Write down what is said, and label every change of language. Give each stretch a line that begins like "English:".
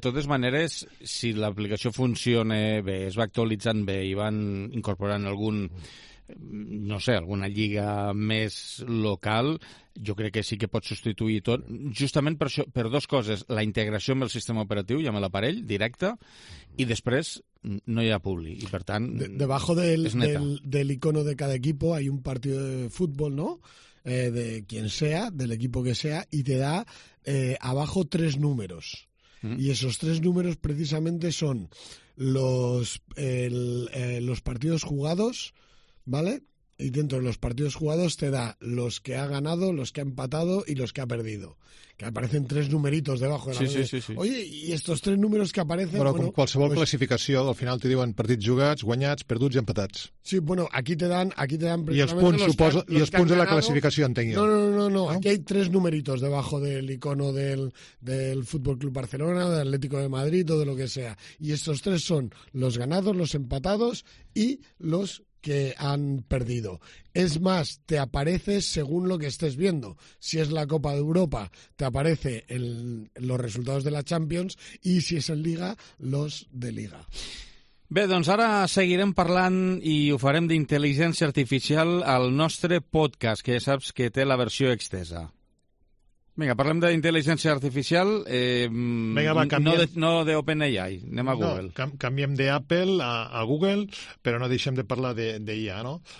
Catalan: totes maneres, si l'aplicació funciona bé, es va actualitzant bé i van incorporant algun... no sé, alguna lliga més local, jo crec que sí que pot substituir tot, justament per això, per dos coses, la integració amb el sistema operatiu i amb l'aparell directe, i després no hi ha publi, i per tant,
Spanish: debajo del icono de cada equipo hay un partido de fútbol, ¿no? De quien sea, del equipo que sea, y te da abajo tres números. Y esos tres números precisamente son los partidos jugados, ¿vale? Y dentro de los partidos jugados te da los que ha ganado, los que ha empatado y los que ha perdido. Que aparecen tres numeritos debajo de la sí. Oye, y estos tres números que aparecen...
Catalan: Bueno, bueno, qualsevol classificació, al final te diuen partits jugats, guanyats, perduts i empatats.
Spanish: Sí, bueno, aquí te dan precisamente los que han ganado...
Catalan: I els punts de la classificació, entenc jo.
Spanish: No. Aquí hay tres numeritos debajo del icono del Fútbol Club Barcelona, del Atlético de Madrid o de lo que sea. Y estos tres son los ganados, los empatados y los... que han perdido. Es más, te aparece según lo que estés viendo. Si es la Copa de Europa, te aparece los resultados de la Champions, y si es en Liga, los de Liga.
Catalan: Bé, doncs ara seguirem parlant i ho farem d'intel·ligència artificial al nostre podcast, que ja saps que té la versió extesa. Vinga, parlem d'intel·ligència artificial. No de OpenAI, anem a Google. No, canviem d'Apple a Google, però no deixem de parlar d'IA, no?